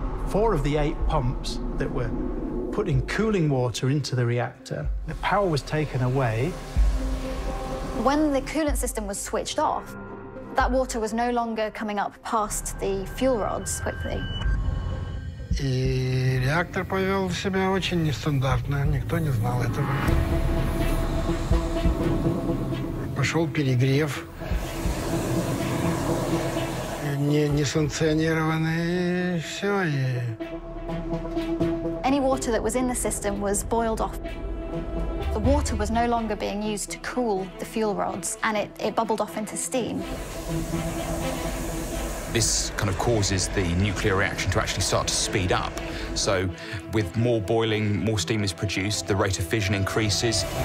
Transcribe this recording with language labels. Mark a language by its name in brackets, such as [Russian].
[English] Four of the eight pumps that were putting cooling water into the reactor, the power was taken away. When the coolant system was switched off, that water was no longer coming up past the fuel rods quickly. [Russian] И реактор повел себя очень нестандартно, никто не знал этого. Пошел перегрев, несанкционированный, и все. [English] Any water that was in the system was boiled off. The water was no longer being used to cool the fuel rods, and it bubbled off into steam. This kind of causes the nuclear reaction to actually start to speed up. So with more boiling, more steam is produced, the rate of fission increases.